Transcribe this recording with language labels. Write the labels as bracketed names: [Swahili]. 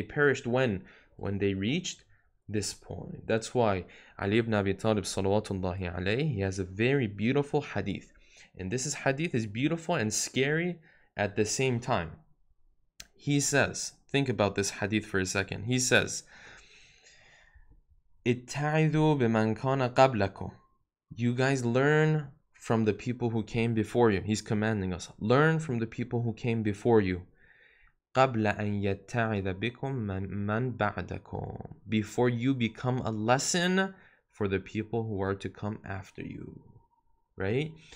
[English] They perished when they reached this point. That's why Ali ibn Abi Talib salawatullahi alayhi, he has a very beautiful hadith. And this hadith is beautiful and scary at the same time. He says, think about this hadith for a second. He says, [Arabic] اتعذوا بمن كان قبلكم. [English] You guys learn from the people who came before you. He's commanding us. Learn from the people who came before you. [Arabic] قبل أن يتعذ بكم من بعدكم. [English] Before you become a lesson for the people who are to come after you. Right?